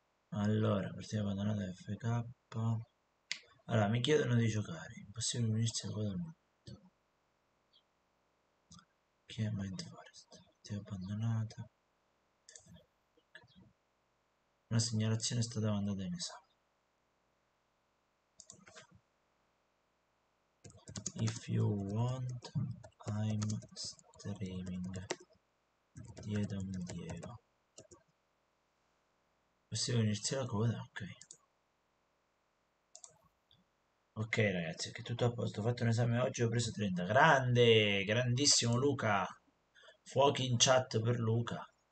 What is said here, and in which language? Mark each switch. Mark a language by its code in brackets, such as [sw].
[it] Allora, partiamo con una FK. Allora, mi chiedono di giocare. Impossibile unirsi a cosa al momento. Chi è Mindforest? Ti ho abbandonata. Una segnalazione è stata mandata in esame. [en] If you want, I'm streaming. Diedo mi Diego. [it] Possiamo iniziare la coda? Ok. Ok ragazzi, che tutto a posto. Ho fatto un esame oggi, ho preso 30. Grande, grandissimo Luca. Fuochi in chat per Luca.